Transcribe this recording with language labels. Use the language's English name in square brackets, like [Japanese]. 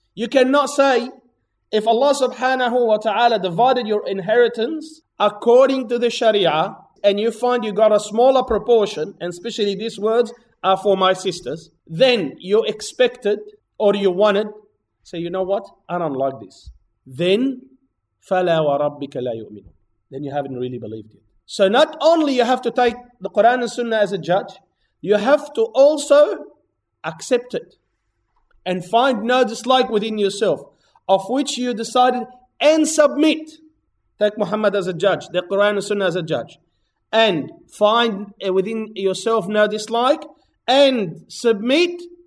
[English] You cannot say, if Allah subhanahu wa ta'ala divided your inheritance according to the Sharia, and you find you got a smaller proportion, and especially these words are for my sisters, then you expected or you wanted, say, you know what? I don't like this. [Arabic] Then, فَلَا وَرَبِّكَ لَا يُؤْمِنُ. [English] Then you haven't really believed it. So not only you have to take the Quran and Sunnah as a judge, you have to also accept it and find no dislike within yourself, of which you decided, and submit. Take Muhammad as a judge, the Quran and Sunnah as a judge, and find within yourself no dislike, and submit.